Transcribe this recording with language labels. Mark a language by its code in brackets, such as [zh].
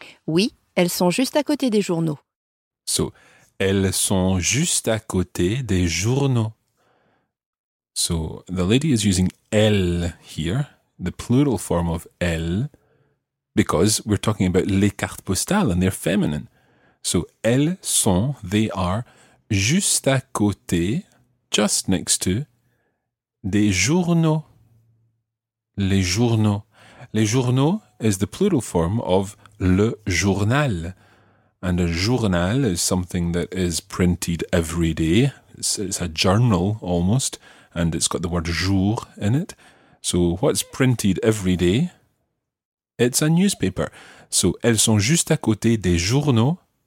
[fr] Oui, elles sont juste à côté des journaux. So, elles sont juste à côté des journaux. [en] So, the lady is using elle here, the plural form of elle, because we're talking about [fr] les cartes postales [en] and they're feminine. So, [fr] elles sont, [en] they are, [fr] juste à côté, [en] just next to, [fr] des journaux. Les journaux. Les journaux [en] is the plural form of [fr] le journal. [en] And a journal is something that is printed every day. It's a journal, almost, and it's got the word jour in it. So what's printed every day? It's a newspaper. [fr] So elles sont juste à côté des journaux.